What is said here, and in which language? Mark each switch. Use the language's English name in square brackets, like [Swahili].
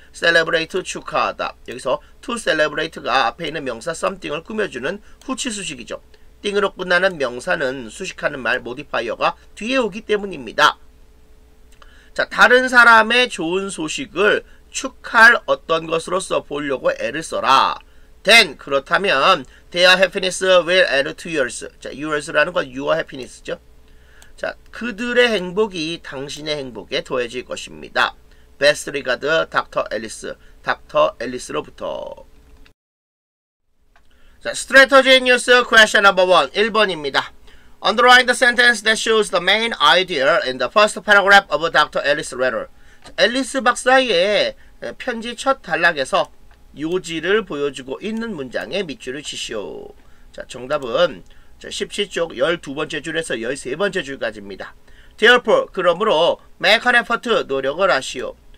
[Korean] Celebrate, 축하하다. 여기서 to celebrate가 앞에 있는 명사 something을 꾸며주는 후치수식이죠. thing으로 끝나는 명사는 수식하는 말 modifier가 뒤에 오기 때문입니다. 자, 다른 사람의 좋은 소식을 축하할 어떤 것으로서 보려고 애를 써라. [English] Then [Korean] 그렇다면 [English] their happiness will add to yours. [Korean] 자, yours라는 건 your happiness죠. 자, 그들의 행복이 당신의 행복에 더해질 것입니다. [English] Best regard, Dr. Alice. Dr. Alice로부터. 자, strategy in use, question number 1. [Korean] 1번입니다. [English] Underline the sentence that shows the main idea in the first paragraph of Dr. Alice's letter. [Korean] 자, Alice 박사의 편지 첫 단락에서 요지를 보여주고 있는 문장에 밑줄을 치시오. 자, 정답은 17쪽 12번째 줄에서 13번째 줄까지입니다. [English] Therefore, [Korean] 그러므로 [English] make an effort, [Korean] 노력을 하시오.